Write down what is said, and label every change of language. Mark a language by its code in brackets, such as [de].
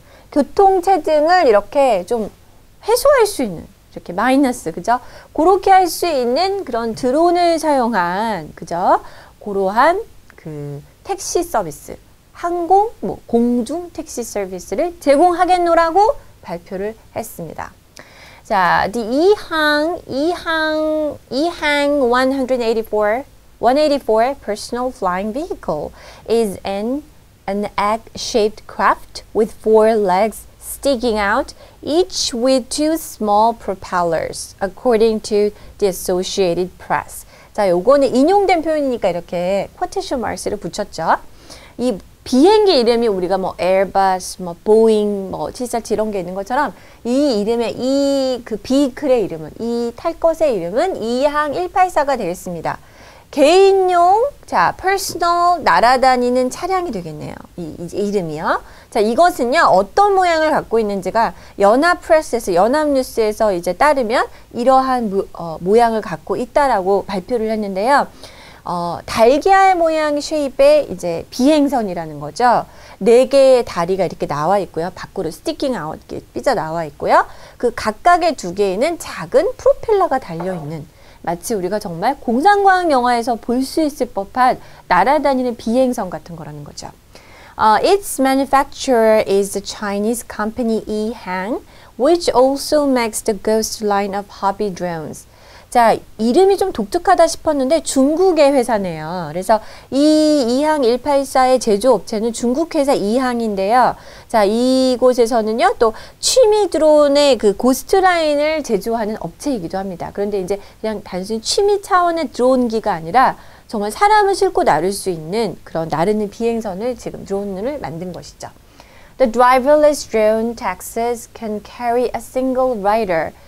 [ko] 교통 체증을 이렇게 좀 해소할 수 있는 이렇게 마이너스, 그죠? 그렇게 할 수 있는 그런 드론을 사용한 그죠? 그러한 그 택시 서비스. 항공, 뭐 공중 택시 서비스를 제공하겠노라고 발표를 했습니다. [en] 자, the Ehang 184 personal flying vehicle is an egg-shaped craft with four legs sticking out, each with two small propellers, according to the Associated Press. [ko] 자, 요거는 인용된 표현이니까 이렇게 quotation marks를 붙였죠. 이 비행기 이름이 우리가 뭐 에어버스, 뭐 보잉, 뭐 747 이런 게 있는 것처럼 이 이름의 이 그 비클의 이름은 이 탈 것의 이름은 이항 184가 되겠습니다. 개인용 자 personal 날아다니는 차량이 되겠네요. 이 이름이요. 자 이것은요 어떤 모양을 갖고 있는지가 연합프레스에서 연합뉴스에서 이제 따르면 이러한 모양을 갖고 있다라고 발표를 했는데요. 달걀 모양 쉐입의 이제 비행선이라는 거죠. 네 개의 다리가 이렇게 나와 있고요. 밖으로 스티킹 아웃 이렇게 삐져 나와 있고요. 그 각각의 두 개에는 작은 프로펠러가 달려 있는 마치 우리가 정말 공상과학 영화에서 볼 수 있을 법한 날아다니는 비행선 같은 거라는 거죠. [en] Its manufacturer is the Chinese company Ehang, which also makes the Ghost line of hobby drones. [ko] 자, 이름이 좀 독특하다 싶었는데 중국의 회사네요. 그래서 이 이항 184의 제조업체는 중국 회사 이항인데요. 자, 이곳에서는요, 또 취미 드론의 그 고스트라인을 제조하는 업체이기도 합니다. 그런데 이제 그냥 단순히 취미 차원의 드론기가 아니라 정말 사람을 싣고 나를 수 있는 그런 나르는 비행선을 지금 드론을 만든 것이죠. [en] The driverless drone taxis can carry a single rider.